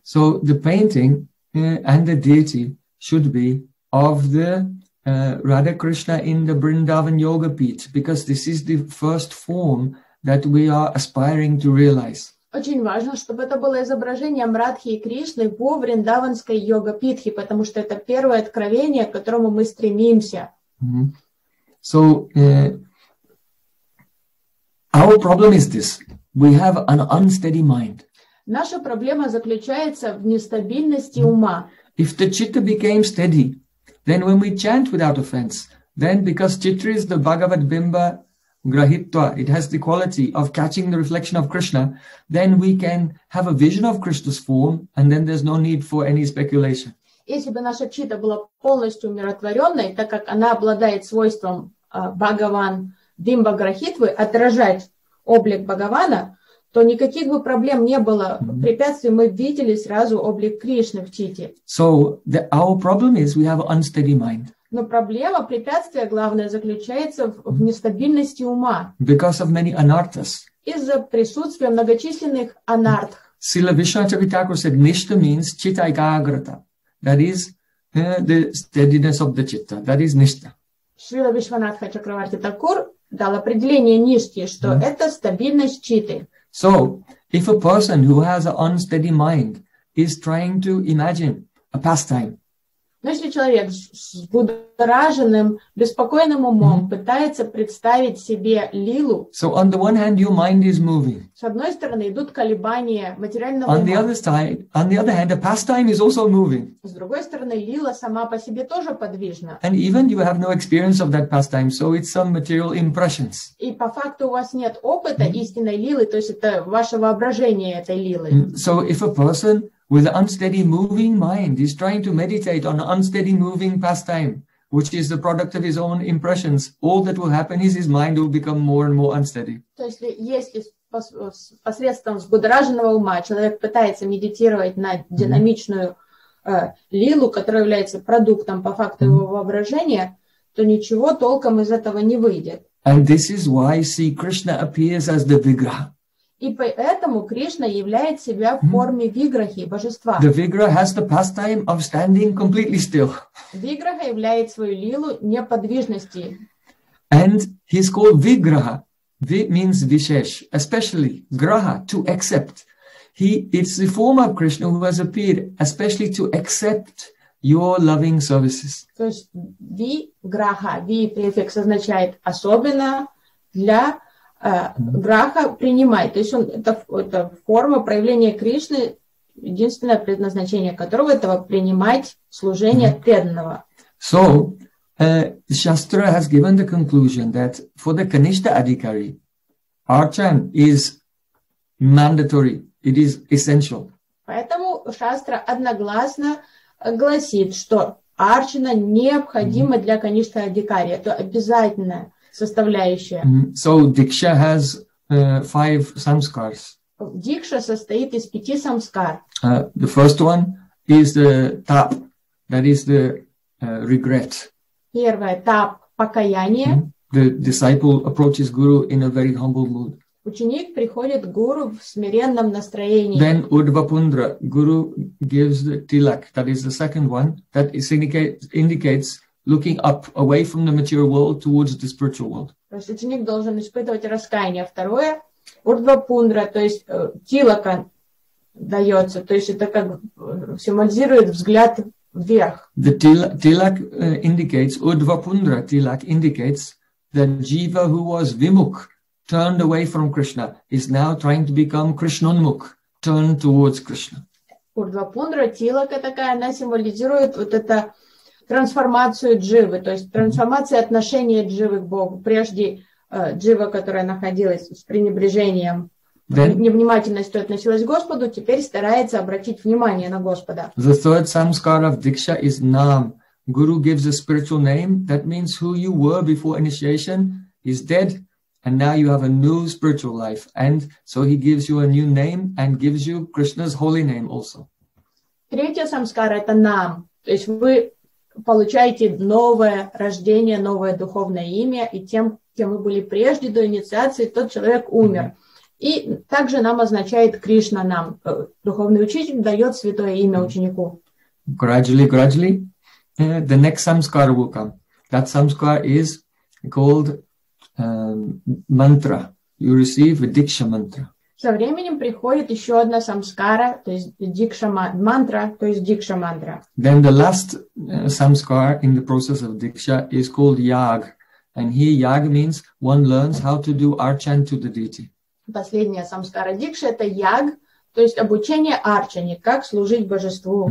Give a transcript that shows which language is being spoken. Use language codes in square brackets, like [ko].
[en] So the painting and the deity should be of the Radha Krishna in the Vrindavan Yoga Peet, because this is the first form that we are aspiring to realize. [ru] Очень важно, чтобы это было изображением Радхи и Кришны во Вриндаванской йога-питхе, потому что это первое откровение, к которому мы стремимся. [en] Mm-hmm. So, our problem is this. We have an unsteady mind. [ru] Наша проблема заключается в нестабильности ума. [en] If the chitta became steady, then when we chant without offense, then because chitta is the Bhagavad Bimba Grahitva, it has the quality of catching the reflection of Krishna, then we can have a vision of Krishna's form, and then there's no need for any speculation. [ru] Если бы наша чита была полностью умиротворенной, так как она обладает свойством Бхагаван Бимба Грахитвы отражать облик Бхагавана, то никаких бы проблем не было, препятствий мы видели сразу облик Кришны в чите. [en] So our problem is we have an unsteady mind. [ru] Но проблема, препятствие главное заключается в нестабильности ума. [en] Because of many anarthas. [ru] Из-за присутствия многочисленных анартх. [en] Srila Vishnu Chakritaka said, nishta means chitta ikagrata. That is the steadiness of the chitta. That is nishta. [ru] Srila Vishwanatha Chakravarti Thakur дал определение ништи, что это стабильность читы. [en] So, if a person who has an unsteady mind is trying to imagine a pastime, [ru] Но если человек с будораженным, беспокойным умом mm-hmm. пытается представить себе лилу, [en] so on the one hand, your mind is moving. [ru] С одной стороны, идут колебания материального [en] on [ru] ума. [en] The other side, on the other hand, the pastime is also moving. [ru] С другой стороны, лила сама по себе тоже подвижна. [en] And even you have no experience of that pastime, so it's some material impressions. [ru] И по факту у вас нет опыта mm-hmm. истинной лилы, то есть это ваше воображение этой лилы. [en] So if a person with an unsteady moving mind, he's trying to meditate on an unsteady moving pastime, which is the product of his own impressions. All that will happen is his mind will become more and more unsteady. [ru] То есть, если посредством взбудораженного ума человек пытается медитировать на динамичную лилу, которая является продуктом по факту его воображения, то ничего толком из этого не выйдет. [en] And this is why, see, Krishna appears as the Vigraha. [ru] И поэтому Кришна являет себя в форме виграхи, божества. [en] The vigra has the pastime of standing completely still. [ru] Виграха являет свою лилу неподвижности. [en] And he's called vigraha. Vi means vishesh, especially graha, to accept. It's the form of Krishna who has appeared, especially to accept your loving services. [ru] То есть виграха, ви префикс означает особенно для граха принимает. То есть он, это форма проявления Кришны, единственное предназначение которого – это принимать служение преданного. [en] So, Shastra has given the conclusion that for the Kanishtha Adhikari, Archan is mandatory, it is essential. [ru] Поэтому Шастра одногласно гласит, что Арчана необходима для Kanishtha Adhikari, это обязательное. Составляющая. [en] So Diksha has five samskars. [ru] Дикша состоит из пяти самскар. [en] The first one is the tap, that is the regret. [ru] Первое тап покаяние. [en] The disciple approaches guru in a very humble mood. [ru] Ученик приходит к гуру в смиренном настроении. [en] Then Urdhvapundra, guru gives the tilak, that is the second one, that is indicates looking up away from the material world towards the spiritual world. [ru] То есть ученик должен испытывать раскаяние. Второе, урдвапундра, то есть тилака дается, то есть это как символизирует взгляд вверх. [en] The tilak indicates, урдвапундра tilak indicates that jiva who was vimukh, turned away from Krishna, is now trying to become krishnonmukh, turned towards Krishna. [ru] Урдвапундра тилака такая, она символизирует вот это трансформацию дживы, то есть трансформация отношения дживы к Богу. Прежде дживы, которая находилась с пренебрежением, невнимательностью относилась к Господу, теперь старается обратить внимание на Господа. [en] The third samskara of Diksha is Nam. Guru gives a spiritual name, that means who you were before initiation is dead, and now you have a new spiritual life. And so he gives you a new name and gives you Krishna's holy name also. [ru] Третья самскара – это Нам. То есть вы получаете новое рождение, новое духовное имя, и тем, кем вы были прежде до инициации, тот человек умер. И также нам означает Кришна нам. Духовный учитель дает святое имя ученику. [en] Gradually, gradually, the next samskara will come. That samskara is called mantra. You receive a diksha mantra. [ru] Со временем приходит еще одна самскара, то есть дикша мантра, то есть дикша мантра. [en] Then the last samskara in the process of diksha is called yag, and here yag means one learns how to do archan to the deity. [ru] Последняя самскара дикша это яг, то есть обучение арчане, как служить божеству.